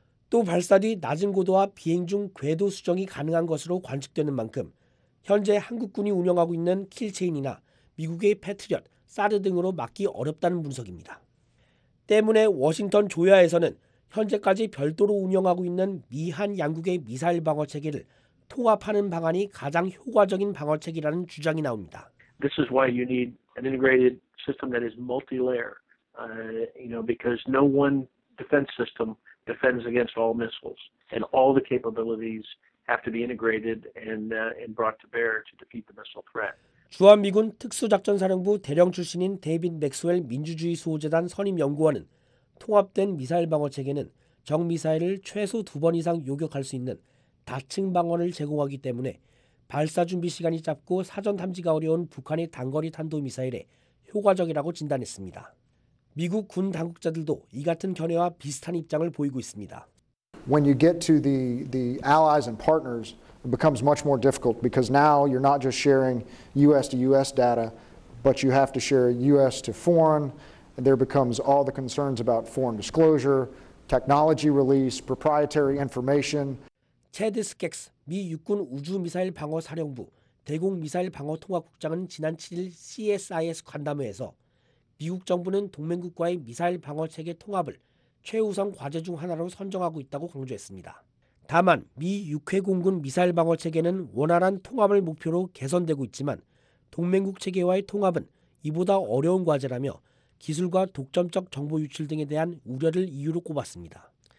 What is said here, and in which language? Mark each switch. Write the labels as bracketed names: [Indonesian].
[Korean] 또 발사 뒤 낮은 고도와 비행 중 궤도 수정이 가능한 것으로 관측되는 만큼 현재 한국군이 운영하고 있는 킬체인이나 미국의 패트리엇, 사드 등으로 막기 어렵다는 분석입니다. 때문에 워싱턴 조야에서는 현재까지 별도로 운영하고 있는 미한 양국의 미사일 방어 체계를 통합하는 방안이 가장 효과적인 방어 체계라는 주장이 나옵니다. [English] This is why you need an integrated system that is multi-layer. Because no one defense system defends against all missiles, and all the capabilities have to be integrated and brought to bear to defeat the missile threat. [Korean] 주한미군 특수작전사령부 대령 출신인 데이빗 맥스웰 민주주의 수호재단 선임 연구원은 통합된 미사일 방어 체계는 적미사일을 최소 2번 이상 요격할 수 있는 다층 방어를 제공하기 때문에 발사 준비 시간이 짧고 사전 탐지가 어려운 북한의 단거리 탄도미사일에 효과적이라고 진단했습니다. 미국 군 당국자들도 이 같은 견해와 비슷한 입장을 보이고 있습니다. [English] When you get to the allies and partners, it becomes much more difficult because now you're not just sharing U.S. to U.S. data, but you have to share U.S. to foreign. And there becomes all the concerns about foreign disclosure, technology release, proprietary information. [Korean] 체드 스켈스 미 육군 우주 미사일 방어 사령부 대공 미사일 방어 통합 국장은 지난 7일 CSIS 간담회에서 미국 정부는 동맹국과의 미사일 방어 체계 통합을 최우선 과제 중 하나로 선정하고 있다고 강조했습니다. 다만 미 육해 공군 미사일 방어 체계는 원활한 통합을 목표로 개선되고 있지만 동맹국 체계와의 통합은 이보다 어려운 과제라며 기술과 독점적 정보 유출 등에 대한 우려를 이유로 꼽았습니다.